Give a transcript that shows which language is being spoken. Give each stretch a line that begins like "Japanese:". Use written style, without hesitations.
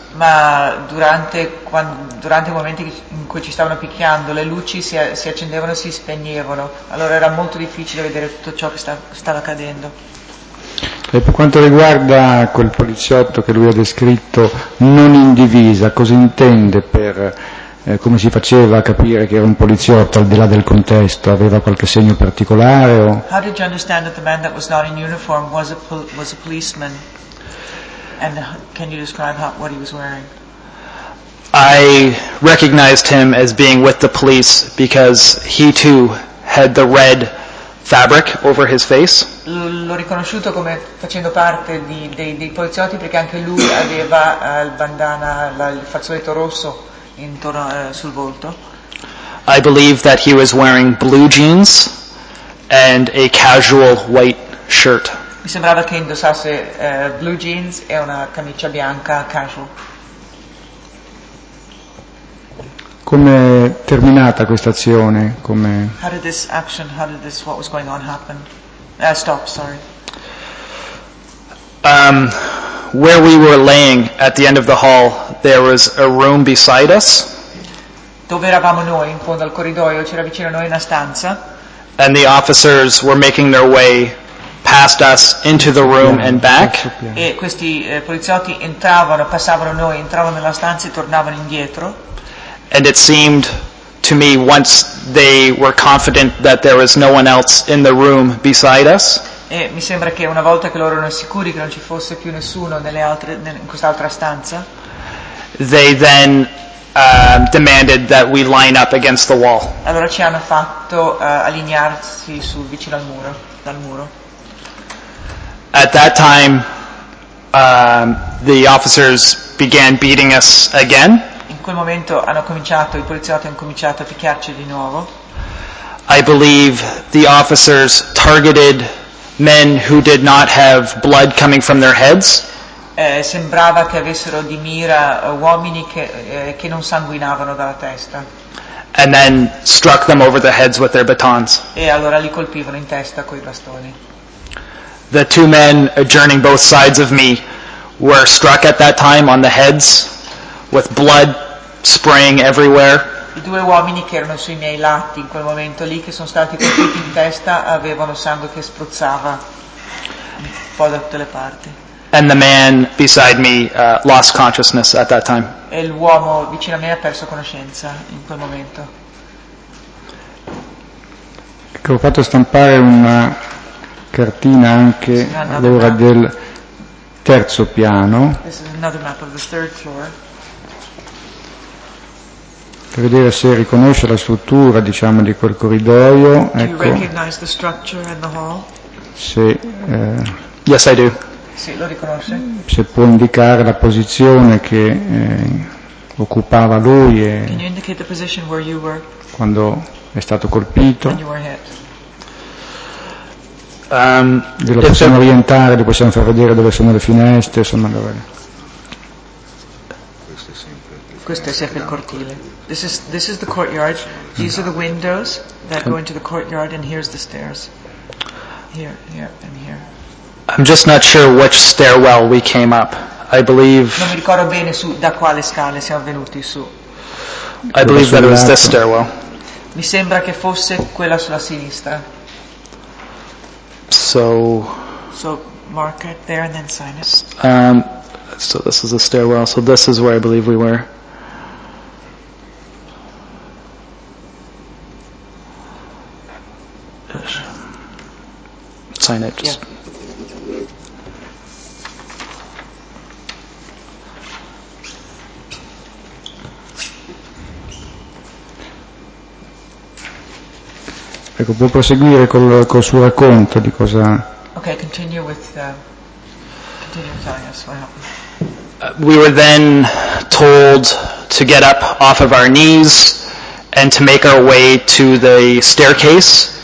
Italian: Ma durante i momenti in cui ci stavano picchiando, le luci si accendevano e si spegnevano. Allora era molto difficile vedere tutto ciò che stava accadendo. E per quanto riguarda quel poliziotto che lui ha descritto non in divisa, cosa intende per... come si faceva a capire che era un poliziotto al di là del contesto? Aveva qualche segno particolare o...
English: How did you understand that the man that was not in uniform was a policeman? And can you describe what he was wearing? I recognized him as being with the police because he too had the red fabric over his face.
Italian: L'ho riconosciuto come facendo parte dei poliziotti perché anche lui aveva il bandana, il fazzoletto rosso intorno sul volto.
English: I believe that he was wearing blue jeans and a casual white shirt.
Italian: Mi sembrava che indossasse blue jeans e una camicia bianca casual. Come è terminata questa azione? Come...
English: How did this action, how did this, what was going on happen? Stop, sorry. Where we were laying at the end of the hall, there was a room beside us.
Italian: Dove eravamo noi, in fondo al corridoio, c'era vicino a noi una stanza.
English: And the officers were making their way past us into the room and back.
Italian: E questi poliziotti entravano, passavano noi, entravano nella stanza e tornavano indietro.
English: And it seemed to me, once they were confident that there was no one else in the room beside us.
Italian: E mi sembra che una volta che loro erano sicuri che non ci fosse più nessuno in quest'altra stanza,
English: they then demanded that we line up against the wall.
Italian: Allora ci hanno fatto allinearsi sul vicino al muro, dal muro.
English: At that time, the officers began beating us again.
Italian: In quel momento hanno cominciato, i poliziotti hanno cominciato a picchiarci di nuovo.
English: I believe the officers targeted men who did not have blood coming from their heads.
Italian: Sembrava che avessero di mira uomini che non sanguinavano dalla testa.
English: And then struck them over the heads with their batons.
Italian: E allora li colpivano in testa coi bastoni.
English: The two men adjoining both sides of me were struck at that time on the heads with blood spraying everywhere.
Italian: i due uomini che erano sui miei lati in quel momento lì, che sono stati colpiti in testa, avevano sangue che spruzzava un po' da tutte le parti.
English: And the man beside me lost consciousness at that time.
Italian: E l'uomo vicino a me ha perso conoscenza in quel momento. Ecco, ho fatto stampare una cartina anche allora del terzo piano.
English: This is another map of the third floor.
Italian: Per vedere se riconosce la struttura, diciamo, di quel corridoio.
English: Do you recognize the structure in the hall?
Italian: Se,
English: yes, I do.
Italian: Sì, lo riconosce. Se può indicare la posizione che occupava lui e
English: can you indicate the position where you were?
Italian: Quando è stato colpito.
English: When you were hit.
Italian: Lo possiamo orientare, lo possiamo far vedere dove sono le finestre, insomma, dove questo è sempre il cortile.
English: This is the courtyard. These are the windows that go into the courtyard, and here's the stairs. Here, and here. I'm just not sure which stairwell we came up. I believe.
Italian: Non mi ricordo bene su da quale scale siamo venuti su.
English: I believe that it was this stairwell.
Italian: Mi sembra che fosse quella sulla sinistra.
English: So mark it there and then sign it. So this is a stairwell. So this is where I believe we were. Sign it. Just. Yeah.
Italian: Ecco, può proseguire col suo racconto di cosa.
English: Ok, continue with Elias, what happened? We were then told to get up off of our knees and to make our way to the staircase.